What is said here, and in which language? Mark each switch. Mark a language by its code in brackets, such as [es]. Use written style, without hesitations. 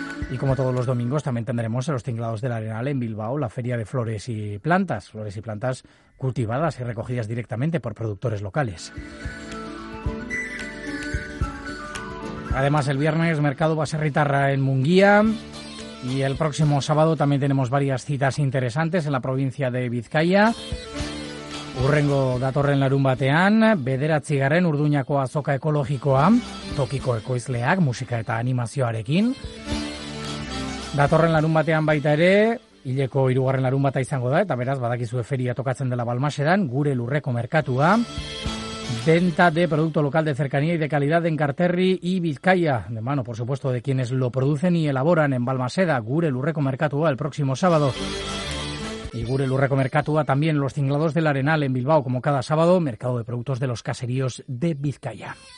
[es] Y como todos los domingos, también tendremos en los tinglados del Arenal en Bilbao la Feria de Flores y Plantas cultivadas y recogidas directamente por productores locales. Además, el viernes, Mercado Baserritarra en Munguía. Y el próximo sábado también tenemos varias citas interesantes en la provincia de Vizcaya. [eu] Urrengo datorren larunbatean, bederatzigarren Urduñako azoka ekologikoa, tokiko ekoizleak, musika eta animazioarekin. Datorren larunbatean baita ere, hileko hirugarren larunbata izango da, eta beraz badakizue feria tokatzen dela Balmasedan, gure lurreko merkatua. [es] Venta de producto local de cercanía y de calidad en Carterri y Vizcaya, de mano, por supuesto, de quienes lo producen y elaboran en Balmaseda, Gure Lurreko Merkatua, el próximo sábado. Y Gure Lurreko Merkatua también los tinglados del Arenal en Bilbao, como cada sábado, mercado de productos de los caseríos de Vizcaya.